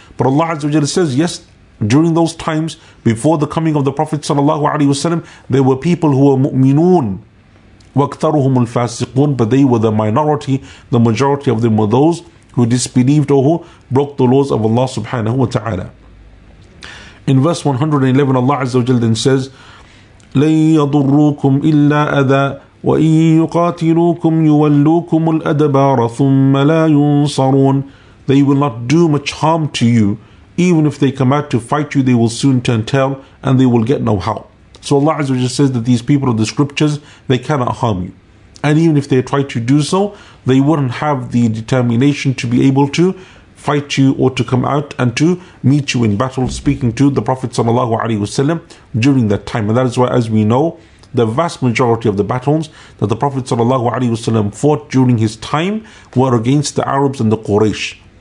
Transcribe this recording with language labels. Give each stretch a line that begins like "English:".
English: But Allah Azza wa Jalla says, yes, during those times, before the coming of the Prophet sallallahu alaihi wasallam, there were people who were mu'minun,
Arabic: وَأَكْثَرُهُمْ الْفَاسِقُونَ,
English: but they were the minority, the majority of them were those who disbelieved or who broke the laws of Allah subhanahu wa ta'ala. In verse 111, Allah Azza wa Jalla then says,
Arabic: لَنْ يَضُرُّوكُمْ إِلَّا أَذَى وَإِنْ يُقَاتِلُوكُمْ يُوَلُّوكُمُ الْأَدَبَارَ ثُمَّ لَا يُنصَرُونَ.
English: They will not do much harm to you. Even if they come out to fight you, they will soon turn tail and they will get no help. So Allah Azza wa Jalla says that these people of the scriptures, they cannot harm you. And even if they try to do so, they wouldn't have the determination to be able to fight you or to come out and to meet you in battle, speaking to the Prophet sallallahu alaihi wasallam during that time. And that is why, as we know, the vast majority of the battles that the Prophet sallallahu alaihi wasallam fought during his time were against the Arabs and the Quraysh.